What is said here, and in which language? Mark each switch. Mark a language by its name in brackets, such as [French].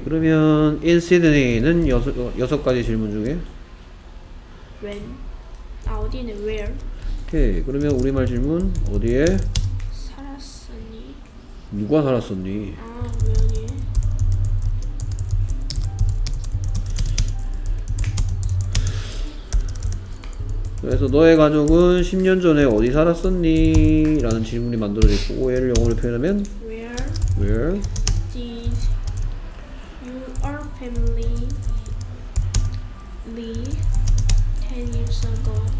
[Korean] 그러면 in Sydney는 여섯 가지 질문 중에 [English] when, [Korean] 어디는 [English] where. [Korean] 오케이. 그러면 우리말 질문 어디에 살았었니? 누가 살았었니? 아, 왜니? 그래서 너의 가족은 10년 전에 어디 살았었니? 라는 질문이 만들어질 거고, 얘를 영어로 표현하면 [English] Where did your family live 10 years ago?